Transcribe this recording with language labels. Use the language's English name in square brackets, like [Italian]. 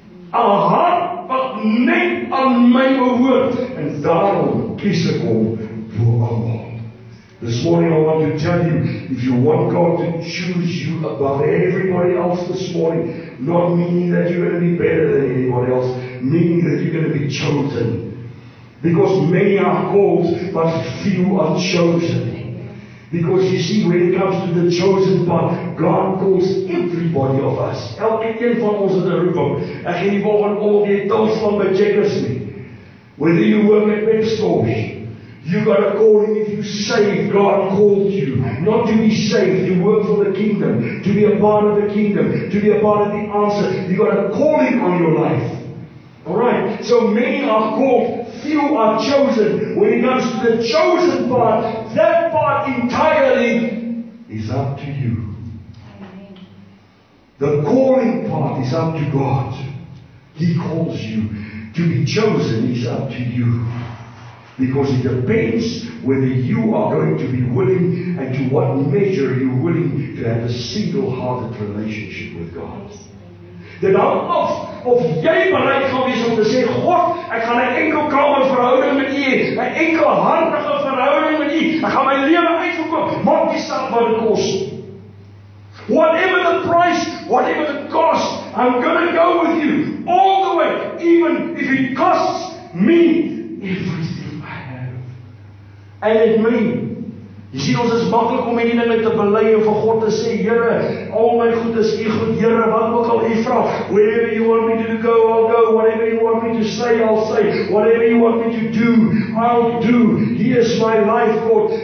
[Afrikaans] A hart wat net aan my behoort. En daarom kies ek hom voor almal. [English] This morning I want to tell you, if you want God to choose you above everybody else this morning, not meaning that you're going to be better than anybody else, meaning that you're going to be chosen. Because many are called, but few are chosen. Because you see, when it comes to the chosen part, God calls everybody of us. Elke een van ons in the room. [Afrikaans] Ek gaan die volgende al die toos van my checkers nie. [English] Whether you work at web stores, you got a calling. If you saved, God called you. Not to be saved, you work for the kingdom. To be a part of the kingdom. To be a part of the answer. You got a calling on your life. Alright, so many are called, few are chosen. When it comes to the chosen part, that part entirely is up to you. The calling part is up to God. He calls you. To be chosen is up to you. Because it depends whether you are going to be willing and to what measure you're willing to have a single-hearted relationship with God. [Afrikaans] Dit hang of jy bereid gaan wees om te sê, God, ek gaan 'n enkel kamer verhouding met U, 'n enkel hartige verhouding met U. Ek gaan my lewe uitverkoop, maak nie saak wat dit kos. [English] Whatever the price, whatever the cost, I'm gonna go with you all the way, even if it costs me everything I have. And it means, [Afrikaans] jy sien, ons is makkelijk om hierdie dinge te bely en vir God te sê, Here, al my goed is U goed, Here, wat ook al U vra, [English] wherever you want me to go, I'll go, whatever you want me to say, I'll say, whatever you want me to do, I'll do, He is my life, God.